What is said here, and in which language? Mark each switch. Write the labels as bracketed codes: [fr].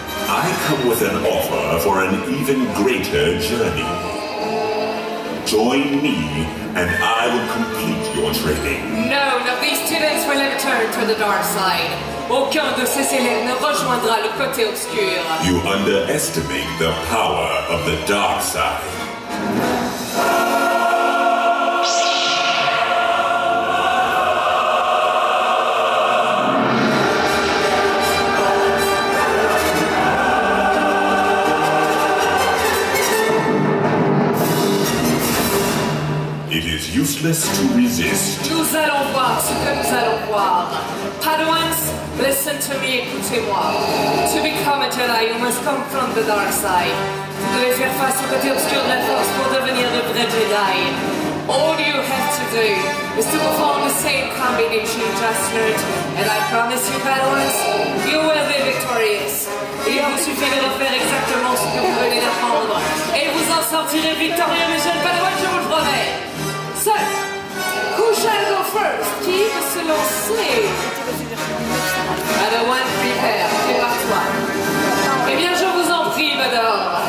[en] I come with an offer for an even greater journey. Join me and I will complete your training. No, not these students will return to the dark side. [fr] Aucun de ces élèves ne rejoindra le côté obscur. [en] You underestimate the power of the dark side. Useless to resist. [fr] Nous allons voir ce que nous allons voir. [en] Padawans, listen to me, [fr] écoutez-moi. [en] To become a Jedi, you must come from the dark side. [fr] Vous devez faire face au côté obscur de la force pour devenir le vrai Jedi. [en] All you have to do is to perform the same combination you just heard. And I promise you, Padawans, you will be victorious. [fr] Il vous suffit de faire exactement ce que vous venez d'apprendre. Et vous en sortirez victorieux, mes jeunes Padawans, je vous le promets. [en] Who shall go first? [fr] Qui va se lancer? [en] Padawan, prepare. [fr] Prépare-toi. Eh bien, je vous en prie, Vador.